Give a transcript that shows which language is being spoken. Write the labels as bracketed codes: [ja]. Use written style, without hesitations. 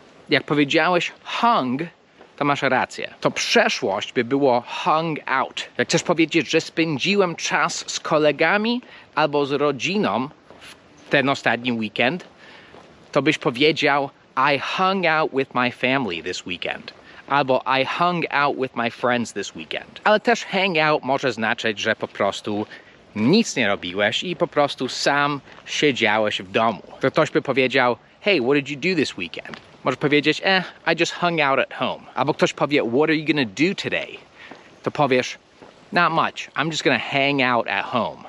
[pl] Jak powiedziałeś hung, to masz rację. To przeszłość by było hung out. Jak chcesz powiedzieć, że spędziłem czas z kolegami albo z rodziną w ten ostatni weekend, to byś powiedział, [en] I hung out with my family this weekend. [pl] Albo [en] I hung out with my friends this weekend. [pl] Ale też hang out może znaczyć, że po prostu nic nie robiłeś i po prostu sam siedziałeś w domu. To ktoś by powiedział, [en] hey, what did you do this weekend? [pl] Może powiedzieć, [en] eh, I just hung out at home. [pl] Albo ktoś powie, [en] what are you gonna do today? [pl] To powiesz, [en] not much, I'm just gonna hang out at home.